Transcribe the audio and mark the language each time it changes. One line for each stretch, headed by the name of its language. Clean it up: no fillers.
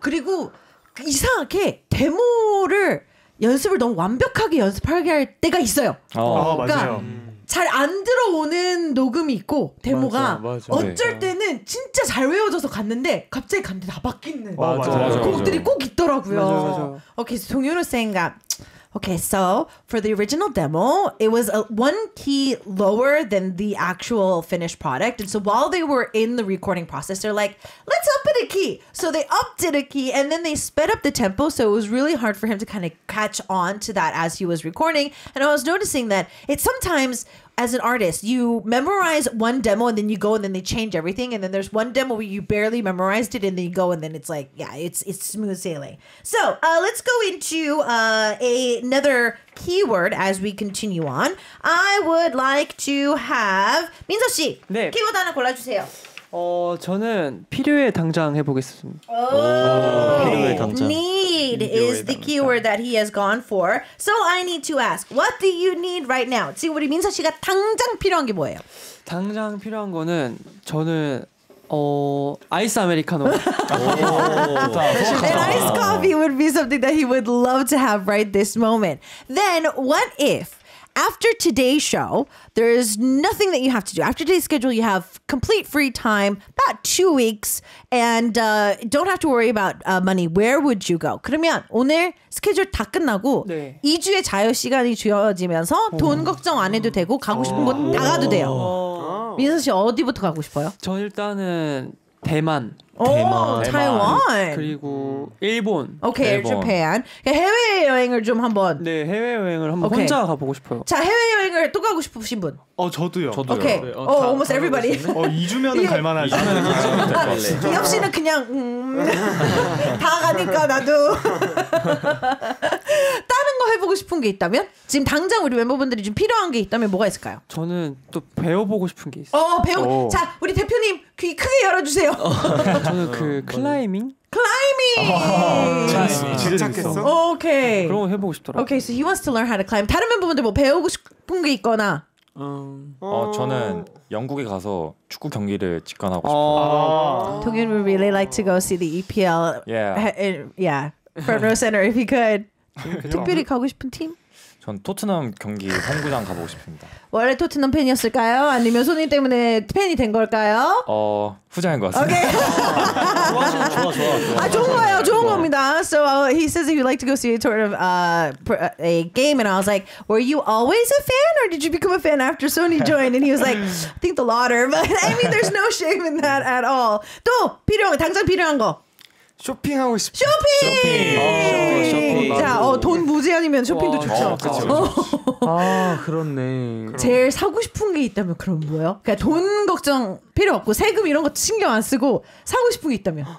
Korean: 그리고 이상하게 데모를 연습을 너무 완벽하게 연습하게 할 때가 있어요. 그러니까 맞아요. 잘 안 들어오는 녹음이 있고 데모가 맞아. 어쩔 네. 때는 진짜 잘 외워져서 갔는데 갑자기 갔는데 다 바뀌는 맞아. 곡들이 맞아. 꼭 있더라고요. 맞아.
English: Okay, so 동윤호 saying that. Okay, so for the original demo, it was one key lower than the actual finished product. And so while they were in the recording process, they're like, let's up it a key. So they upped it a key and then they sped up the tempo. So it was really hard for him to kind of catch on to that as he was recording. And I was noticing that it's sometimes, as an artist, you memorize one demo and then you go and then they change everything. And then there's one demo where you barely memorized it and then you go and then it's like, yeah, it's smooth sailing. So let's go into another keyword as we continue on. I would like to have... 민서 씨,
Korean: 네. 키워드 하나 골라주세요. 저는 필요해 당장 해보겠습니다.
English: Oh, okay. Need is the keyword that he has gone for. So I need to ask, what do you need right now?
Korean: 지금 우리 민서 씨가 당장 필요한 게 뭐예요? 당장 필요한 거는 저는 아이스 아메리카노. 좋다.
English: An iced coffee would be something that he would love to have right this moment. Then what if after today's show, there is nothing that you have to do. After today's schedule, you have complete free time, about 2 weeks, and don't have to worry about money. Where would you go?
Korean: 그러면 오늘 스케줄 다 끝나고 네. 2주의 자유 시간이 주어지면서 돈 걱정 안 해도 되고 가고 싶은 곳 다 가도 돼요. 민서 씨 어디부터 가고 싶어요? 저 일단은 대만. 타이완 그리고 일본. 오케이, okay, 일본. 해외 여행을 좀 한번. 네, 해외 여행을 한번 okay. 혼자 가보고 싶어요. 자, 해외 여행을 또 가고 싶으신 분. 저도요. 저도요.
English: 오케이. Okay. 네, almost everybody.
Korean: 2주면은 갈 만하지. 이 없이는 그냥 다 가니까 나도. 배워보고 싶은 게 있다면? 지금 당장 우리 멤버분들이 좀 필요한 게 있다면 뭐가 있을까요? 저는 또 배워보고 싶은 게 있어요. 자, 우리 대표님 귀 크게 열어주세요. 저는 그 클라이밍? 클라이밍! 오케이. 그런 거 해보고 싶더라고요.
English: 오케이, so he wants to learn how to climb.
Korean: 다른 멤버분들 뭐 배우고 싶은 게 있거나? 저는 영국에 가서 축구 경기를 직관하고 싶어요.
English: Togun would really like to go see the EPL. Yeah. Front row center if he could.
Korean: 특별히 가고 싶은 팀? 전 토트넘 경기 홈구장 가보고 싶습니다. 원래 토트넘 팬이었을까요? 아니면 손님 때문에 팬이 된 걸까요? 후자인 것 같습니다. 오케이. 좋아. 아, 좋은 거예요. 좋은 겁니다.
English: So he says he would like to go see a sort of a game, and I was like, were you always a fan, or did you become a fan after Sony joined? And he was like, I think the latter, but I mean, there's no shame in that at all.
Korean: 또 필요한 거, 당장 필요한 거. 쇼핑하고 싶어. 쇼핑! 자, 돈 무제한이면 쇼핑도 좋죠. 그렇죠. 아, 그렇네. 제일 사고 싶은 게 있다면 그럼 뭐예요? 그러니까 돈 걱정 필요 없고 세금 이런 거 신경 안 쓰고 사고 싶은 게 있다면.